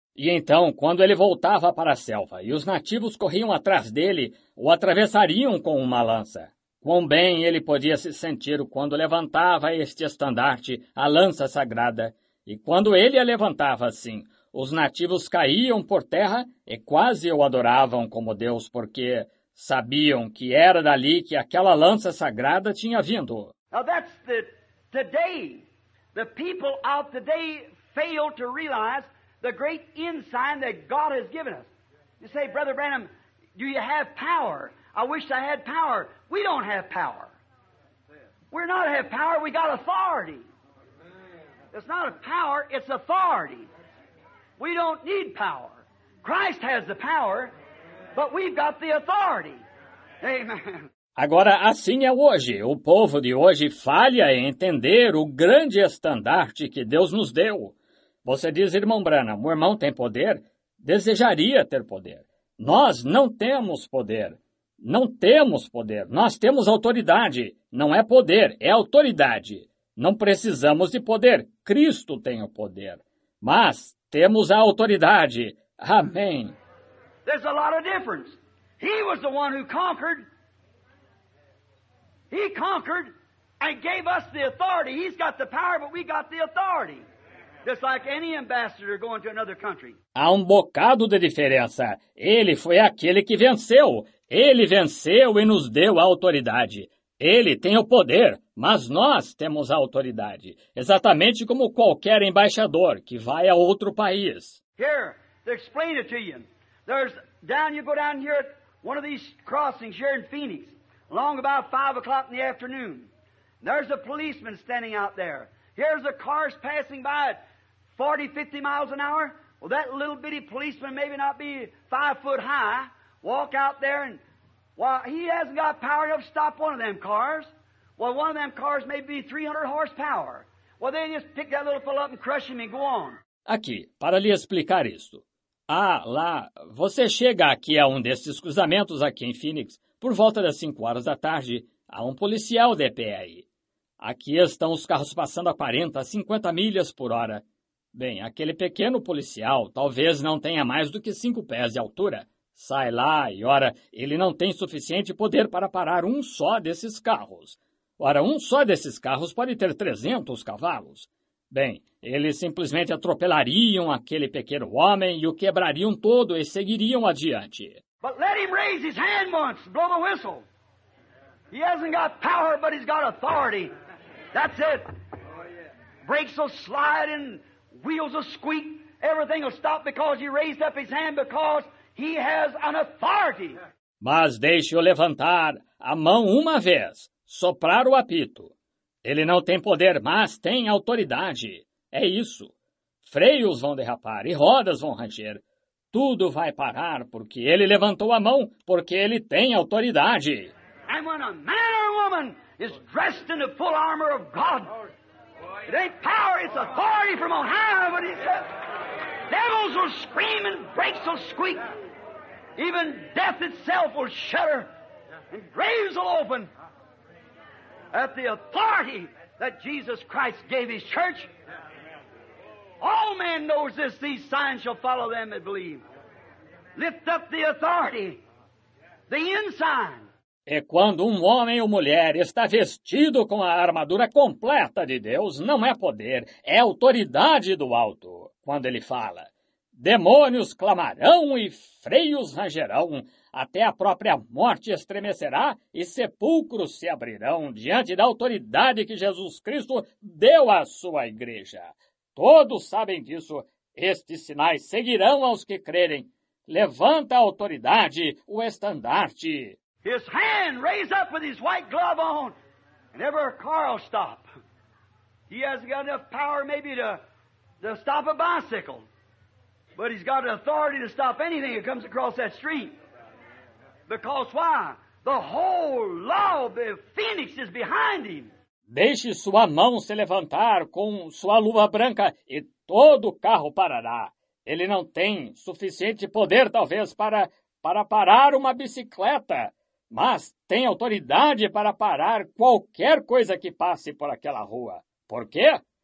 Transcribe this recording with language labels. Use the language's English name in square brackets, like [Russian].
[Portuguese] E então, quando ele voltava para a selva e os nativos corriam atrás dele, o atravessariam com uma lança. Quão bem ele podia se sentir quando levantava este estandarte, a lança sagrada. E quando ele a levantava assim, os nativos caíam por terra e quase o adoravam como Deus, porque sabiam que era dali que aquela lança sagrada tinha vindo. [English] Now that's the today. The people of today fail to realize the great ensign that God has given us. You say, Brother Branham, do you have power? I wish I had power. We don't have power. We're not have power, we got authority. It's not a power, it's authority. We don't need power. Christ has the power, but we've got the authority. Amen. [Portuguese] Agora, assim é hoje. O povo de hoje falha em entender o grande estandarte que Deus nos deu. Você diz, irmão Branham, o irmão tem poder? Desejaria ter poder. Nós não temos poder. Não temos poder. Nós temos autoridade. Não é poder, é autoridade. Não precisamos de poder. Cristo tem o poder. Mas temos a autoridade. Amém. [English] There's a lot of difference. He was the one who conquered. He conquered and gave us the authority. He's got the power, but we got the authority. Just like any ambassador going to another country. [Portuguese] Há um bocado de diferença. Ele foi aquele que venceu. Ele venceu e nos deu a autoridade. Ele tem o poder, mas nós temos a autoridade. Exatamente como qualquer embaixador que vai a outro país. [English] Here, to explain it to you. There's down, you go down here at one of these crossings here in Phoenix, along about 5 o'clock in the afternoon. There's a policeman standing out there. Here's the cars passing by at 40, 50 miles an hour. Well, that little bitty policeman, maybe not be 5 foot high, walk out there and, well, he hasn't got power enough to stop one of them cars. Well, one of them cars may be 300 horsepower. Well, they just pick that little fellow up and crush him and go on. [Portuguese] Aqui, para lhe explicar isto. Ah, lá, você chega aqui a um desses cruzamentos aqui em Phoenix, por volta das 5 horas da tarde, há um policial de pé aí. Aqui estão os carros passando a 40, 50 milhas por hora. Bem, aquele pequeno policial talvez não tenha mais do que 5 pés de altura. Sai lá e, ora, ele não tem suficiente poder para parar um só desses carros. Ora, um só desses carros pode ter 300 cavalos. Bem, eles simplesmente atropelariam aquele pequeno homem e o quebrariam todo e seguiriam adiante. [English] But let him raise his hand once, blow the whistle. He hasn't got power, but he's got authority. That's it. Brakes will slide and wheels will squeak. Everything will stop because he raised up his hand, because he has an authority. [Portuguese] Mas deixe-o levantar a mão uma vez, soprar o apito. Ele não tem poder, mas tem autoridade. É isso. Freios vão derrapar e rodas vão ranger. Tudo vai parar porque ele levantou a mão, porque ele tem autoridade. [English] And when a man or a woman is dressed in the full armor of God, it ain't power, it's authority from on high, but he says, devils will scream and brakes will squeak. Even death itself will shudder. and graves will open. At the authority that Jesus Christ gave His church, all men knows this, these signs shall follow them that believe. Lift up the authority, the ensign. [Portuguese] É quando homem ou mulher está vestido com a armadura completa de Deus, não é poder, é autoridade do alto. Quando ele fala, demônios clamarão e freios rangerão, até a própria morte estremecerá e sepulcros se abrirão diante da autoridade que Jesus Cristo deu à sua igreja. Todos sabem disso, estes sinais seguirão aos que crerem. Levanta a autoridade, o estandarte. [English] His hand raised up with his white glove on, and every car will stop. He hasn't got enough power maybe to stop a bicycle, but he's got the authority to stop anything that comes across that street. Because why? The whole law of Phoenix is behind him. [Portuguese] Deixe sua mão se levantar com sua luva branca e todo carro parará. Ele não tem suficiente poder, talvez, para parar uma bicicleta. Mas tem autoridade para parar qualquer coisa que passe por aquela rua. Por quê?